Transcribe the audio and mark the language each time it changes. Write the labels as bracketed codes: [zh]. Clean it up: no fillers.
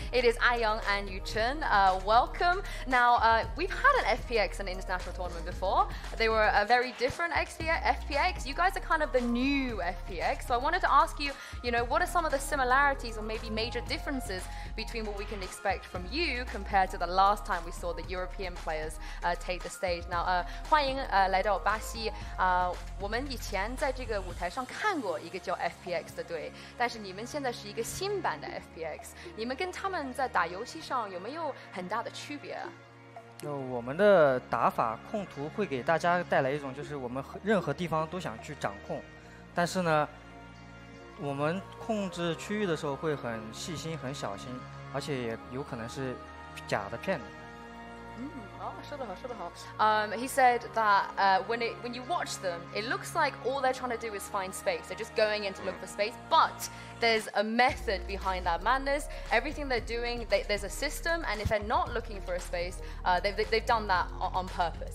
[en] It is Ayoung and Yuchen. Welcome. Now, we've had an FPX, an international tournament before. They were a very different FPX. You guys are kind of the new FPX. So I wanted to ask you, you know, what are some of the similarities or maybe major differences between what we can expect from you compared to the last time we saw the European players take the stage? [zh] Now, 来到巴西，我们以前在这个舞台上看过一个叫 FPX 的队，但是你们现在是一个新版的 FPX，你们跟他们在打游戏上有没有很大的区别？我们的打法控图会给大家带来一种，就是我们任何地方都想去掌控，但是呢，我们控制区域的时候会很细心、很小心，而且也有可能是假的骗子。 [en] He said that when you watch them, it looks like all they're trying to do is find space. They're just going in to look for space, but there's a method behind that madness. Everything they're doing, there's a system, and if they're not looking for a space, they've done that on purpose.